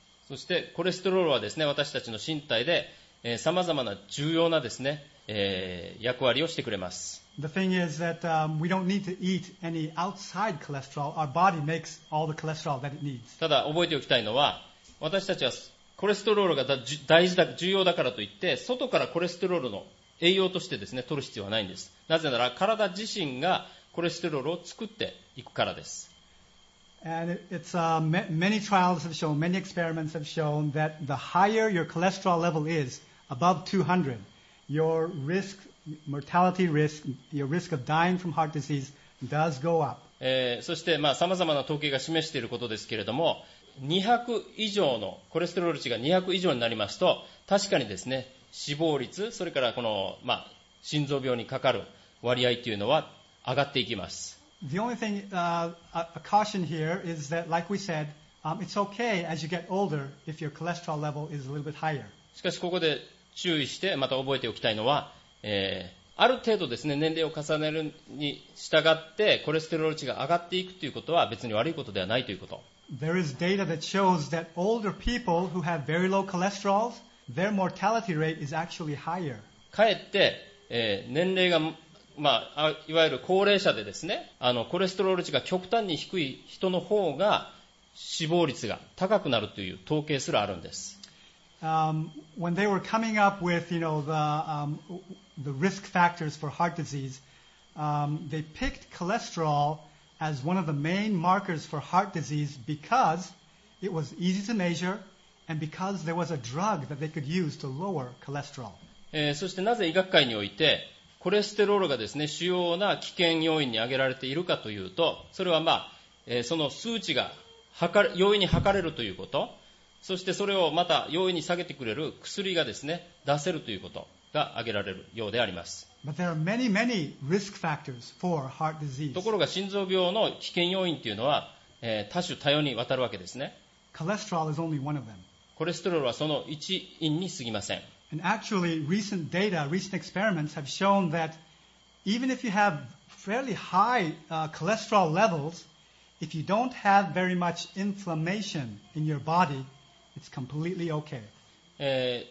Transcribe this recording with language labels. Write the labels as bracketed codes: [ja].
[ja] そしてコレステロールはですね、私たちの身体で、さまざまな重要なですね、役割をしてくれます。 [en] The thing is that, we don't need to eat any outside cholesterol. Our body makes all the cholesterol that it needs. [ja] ただ覚えておきたいのは、私たちはコレステロールが大事だ、重要だからといって、外からコレステロールの栄養としてですね、取る必要はないんです。なぜなら体自身がコレステロールを作っていくからです。 [en] And it's, many trials have shown, many experiments have shown that the higher your cholesterol level is, above 200, your risk, mortality risk, your risk of dying from heart disease does go up. [ja] そして、まあ、様々な統計が示していることですけれども、200以上のコレステロール値が200以上になりますと、確かにですね、死亡率、それからこの、まあ、心臓病にかかる割合というのは上がっていきます。 [en] The only thing, a caution here is that, like we said, it's okay as you get older if your cholesterol level is a little bit higher. [ja] しかしここで注意してまた覚えておきたいのは、ある程度ですね、年齢を重ねるに従ってコレステロール値が上がっていくということは別に悪いことではないということ。 [en] There is data that shows that older people who have very low cholesterol, their mortality rate is actually higher. [ja] かえって、年齢が、まあ、いわゆる高齢者でですね、コレステロール値が極端に低い人の方が死亡率が高くなるという統計すらあるんです。 [en] When they were coming up with, you know, the risk factors for heart disease, they picked cholesterol as one of the main markers for heart disease because it was easy to measure and because there was a drug that they could use to lower cholesterol. [ja] そしてなぜ医学界においてコレステロールがですね、主要な危険要因に挙げられているかというと、それはまあ、その数値が容易に測れるということ。そしてそれをまた容易に下げてくれる薬がですね、出せるということが挙げられるようであります。 [en] But there are many, many risk factors for heart disease. [ja] ところが心臓病の危険要因というのは、多種多様にわたるわけですね。 [en] Cholesterol is only one of them. [ja] コレステロールはその一因にすぎません。 [en] And actually, recent data, recent experiments have shown that even if you have fairly high cholesterol levels, if you don't have very much inflammation in your bodyIt's completely okay.